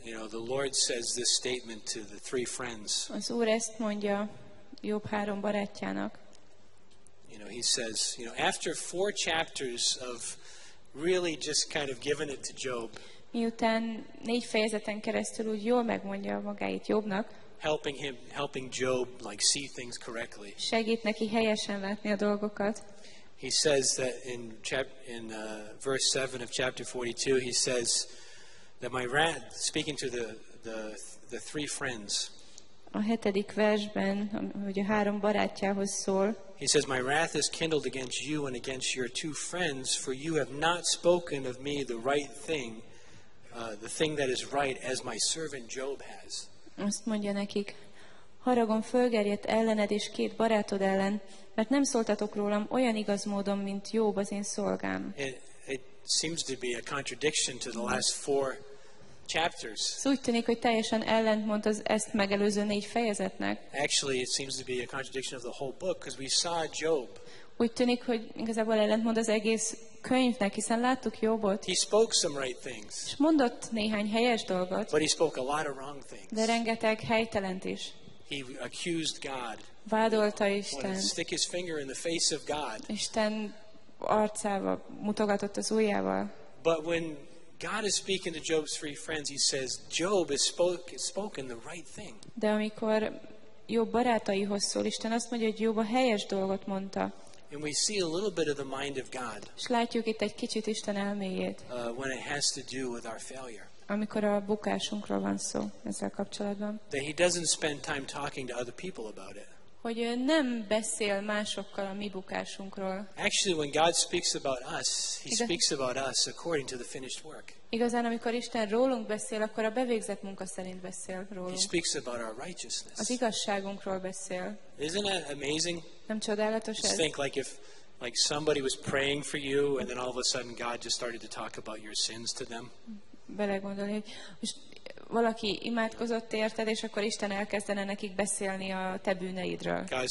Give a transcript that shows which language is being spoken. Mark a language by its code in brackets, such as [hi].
[en] You know, the Lord says this statement to the three friends. [hu] Az Úr ezt mondja Jobb három barátjának. [en] You know, he says, you know, after four chapters of really just kind of giving it to Job. [hu] Miután négy fejezeten keresztül úgy jól megmondja magáit Jobbnak. [en] Helping Job like see things correctly. [hu] Segít neki helyesen látni a dolgokat. [en] He says that in verse 7 of chapter 42, he says that my wrath, speaking to the three friends. [hu] A hetedik versben, hogy a három barátjához szól. [en] He says, my wrath is kindled against you and against your two friends, for you have not spoken of me the right thing, the thing that is right as my servant Job has. [hu] Azt mondja nekik, haragom fölgerjedt ellened és két barátod ellen, mert nem szóltatok rólam olyan igaz módon, mint Job az én szolgám. [en] It seems to be a contradiction to the last four chapters. [hu] Szóval úgy tűnik, hogy teljesen ellentmond az ezt megelőző négy fejezetnek. [en] Actually, it seems to be a contradiction of the whole book, because we saw Job. [hu] Úgy tűnik, hogy igazából ellentmond az egész könyvnek, hiszen láttuk Jobot. [en] He spoke some right things. [hu] És mondott néhány helyes dolgot. [en] But he spoke a lot of wrong things. [hu] De rengeteg helytelent is. [en] He accused God. [hu] Vádolta Isten. [en] He stuck his finger in the face of God. [hu] Isten arcába mutogatott az ujjával. [en] But when God is speaking to Job's three friends, he says, Job has spoken the right thing. [hu] De amikor Jobb barátaihoz szól, Isten azt mondja, hogy Jobb a helyes dolgot mondta. [en] And we see a little bit of the mind of God. [hu] És látjuk itt egy kicsit Isten elméjét. [en] When it has to do with our failure. [hu] Amikor a bukásunkról van szó ezzel kapcsolatban. [en] That he doesn't spend time talking to other people about it. [hu] Hogy nem beszél másokkal a mi bukásunkról. [en] Actually, when God speaks about us, he speaks about us according to the finished work. [hu] Igazán, amikor Isten rólunk beszél, akkor a bevégzett munka szerint beszél rólunk. [en] He speaks about our righteousness. [hu] Az igazságunkról beszél. [en] Isn't that amazing? [hu] Nem csodálatos ez? [en] Just think like if somebody was praying for you, and then all of a sudden God just started to talk about your sins to them. [hu] Belegondolni, hogy most valaki imádkozott érted, és akkor Isten elkezdene nekik beszélni a te bűneidről.